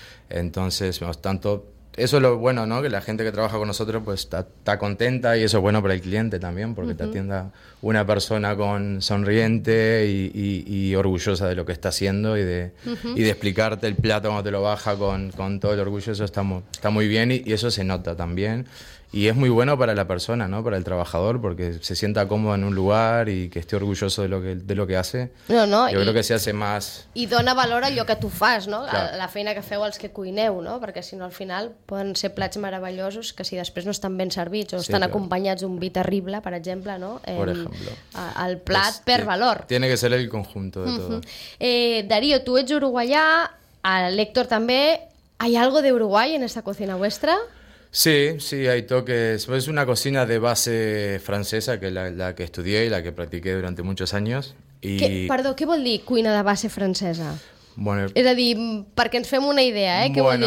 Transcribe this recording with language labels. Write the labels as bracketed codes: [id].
[es] Entonces, tanto eso es lo bueno, ¿no?, que la gente que trabaja con nosotros pues está contenta y eso es bueno para el cliente también, porque te atienda una persona con sonriente y orgullosa de lo que está haciendo y de explicarte el plato cuando te lo baja con todo el orgullo. Eso está muy bien y eso se nota también. Y es muy bueno para la persona, ¿no?, para el trabajador, porque se sienta cómodo en un lugar y que esté orgulloso de lo que hace. No, no. Yo creo que se hace más... [ca] I dona valor a allò que tu fas, ¿no? [es] Claro. [ca] La feina que feu els que cuineu, ¿no? Perquè si no, al final, poden ser plats meravellosos que si després no estan ben servits o estan acompanyats d'un vi terrible, per exemple, ¿no? [es] Por ejemplo. [ca] El plat per valor. [es] Tiene que ser el conjunto de todo. [ca] Darío, tu ets uruguaià, l'Héctor també. [es] ¿Hay algo de Uruguay en esta cocina vuestra? Sí, hay toques. Es una cocina de base francesa, que es la que estudié y la que practiqué durante muchos años. Y... [ca] Perdón, ¿qué vol dir cuina de base francesa? [es] Bueno, es decir, para que nos [ca] fem una idea, [es] ¿eh? ¿Qué bueno,